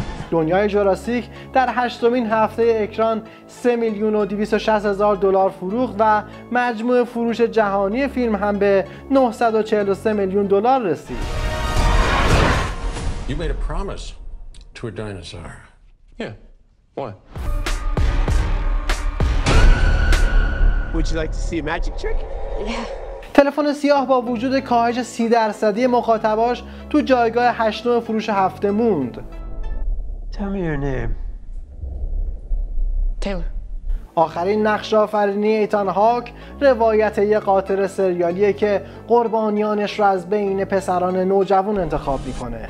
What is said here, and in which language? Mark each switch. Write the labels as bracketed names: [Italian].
[Persian] دنیای جوراسیک در هشتمین هفته اکران 3,260,000 دلار فروخت و مجموع فروش جهانی فیلم هم به 943 میلیون دلار رسید. [English] You made a promise to a dinosaur. Yeah. What? Would you like to see a magic trick? Yeah. [Persian] تلفن سیاه با وجود کاهش 30% مخاطباش تو جایگاه هشتم فروش هفته موند. [English] Tell me your name. Taylor. [Persian] آخرین نقش آفرینی ایتان هاک روایت یه قاتل سریالیه که قربانیانش رو از بین پسران نوجوان انتخاب میکنه.